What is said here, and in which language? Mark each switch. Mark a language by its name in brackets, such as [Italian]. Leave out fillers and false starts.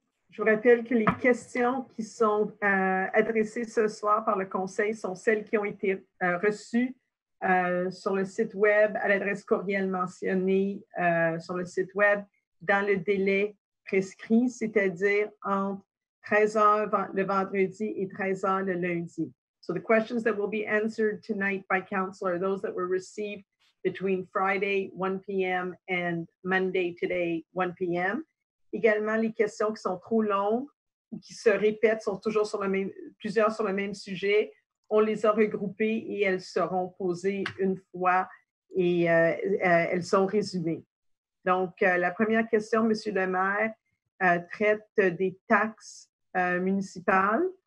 [French] Je vous rappelle que les questions qui sont adressées ce soir par le conseil sont celles qui ont été reçues sur le site web à l'adresse courriel mentionnée sur le site web dans le délai prescrit, c'est-à-dire entre 13h le vendredi et 13h le lundi. [English] So the questions that will be answered tonight by council are those that were received between Friday 1 p.m. and Monday today 1 p.m. [French] Également, les questions qui sont trop longues ou qui se répètent sont toujours plusieurs sur le même sujet. On les a regroupées et elles seront posées une fois et elles sont résumées. Donc, la première question, Monsieur le maire, traite des taxes municipales.